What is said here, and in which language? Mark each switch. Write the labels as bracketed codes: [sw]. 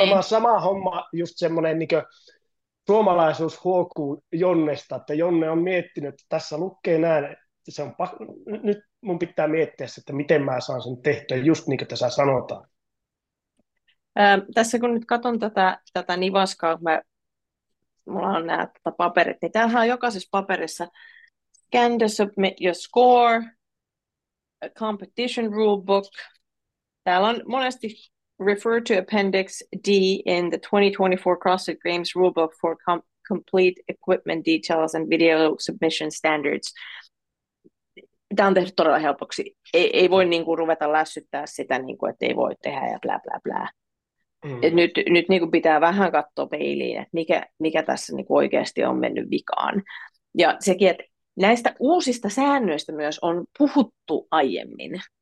[fi] varmaan sama homma, just semmoinen niinku, suomalaisuus huokuu Jonnesta, että Jonne on miettinyt, että tässä lukee näin, että se on nyt mun pitää miettiä se, että miten mä saan sen tehtyä, just niin kuin tässä sanotaan. Tässä kun nyt katson tätä nivaskaa, mulla on nämä paperit, niin täällä on jokaisessa paperissa [en] scan to submit your score, a competition rule book. [fi] Täällä on monesti [en] refer to appendix D in the 2024 CrossFit Games rulebook for complete equipment details and video submission standards. [fi] Tämä on tehnyt todella helpoksi. Ei voi niin kuin ruveta lässyttää sitä, niin kuin, että ei voi tehdä ja blä blä blä. Nyt niin kuin pitää vähän katsoa peiliin, että mikä tässä niin kuin oikeasti on mennyt vikaan. Ja sekin, että näistä uusista säännöistä myös on puhuttu aiemmin.